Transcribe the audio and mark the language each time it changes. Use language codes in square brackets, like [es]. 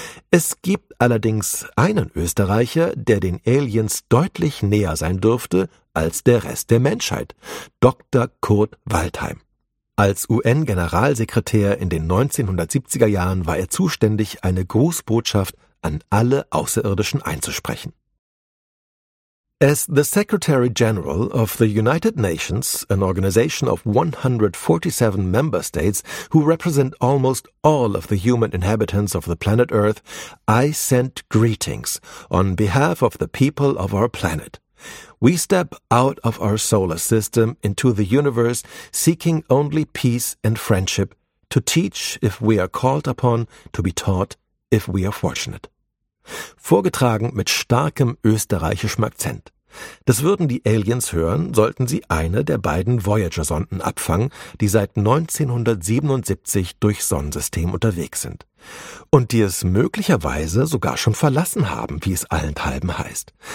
[de] Es gibt allerdings einen Österreicher, der den Aliens deutlich näher sein dürfte als der Rest der Menschheit, Dr. Kurt Waldheim. Als UN-Generalsekretär in den 1970er Jahren war er zuständig, eine Grußbotschaft an alle Außerirdischen einzusprechen. [en] As the Secretary General of the United Nations, an organization of 147 member states who represent almost all of the human inhabitants of the planet Earth, I send greetings on behalf of the people of our planet. We step out of our solar system into the universe seeking only peace and friendship, to teach if we are called upon, to be taught if we are fortunate. [de] Vorgetragen mit starkem österreichischem Akzent. Das würden die Aliens hören, sollten sie eine der beiden Voyager-Sonden abfangen, die seit 1977 durchs Sonnensystem unterwegs sind. Und die es möglicherweise sogar schon verlassen haben, wie es allenthalben heißt.